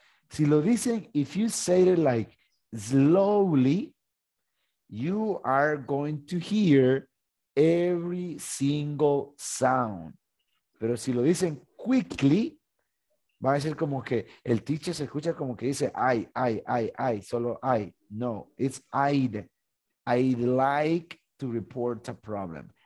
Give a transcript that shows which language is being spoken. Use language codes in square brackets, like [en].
[es] Si lo dicen, [en] if you say it like slowly, you are going to hear every single sound. [es] Pero si lo dicen quickly, va a ser como que el teacher se escucha como que dice I, solo I. [en] No, it's I'd like to report a problem.